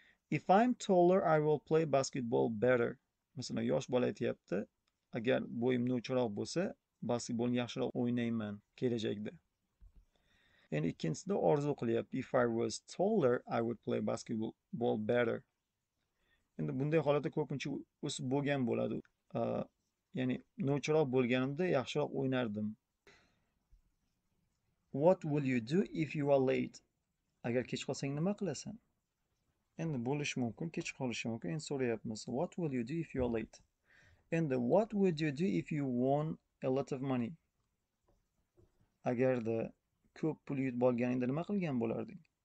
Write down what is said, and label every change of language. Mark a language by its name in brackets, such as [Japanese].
[English] If I'm taller, I will play basketball better. [Uzbek] Masalan, yosh bola aytyapti, agar bo'yim nuchoqroq bo'lsa, basketbolni yaxshiroq o'ynayman kelajakda. Endi ikkinchisida orzu qilyapti. [English] If I was taller, I would play basketball better. [Uzbek] Endi bunday holatda ko'pincha o'sib bo'lgan bo'ladi. Ya'ni nuchoqroq bo'lganimda yaxshiroq o'ynardim. [English] What will you do if you are late? [Uzbek] Agar kech qolsang nima qilasan? Endi bo'lishi mumkin, kech qolishi mumkin. Endi so'rayapmiz. [English] What will you do if you are late? And what would you do if you won a lot of money? [Uzbek] Agarda ko'p pul yutib olganingda nima qilgan bo'larding?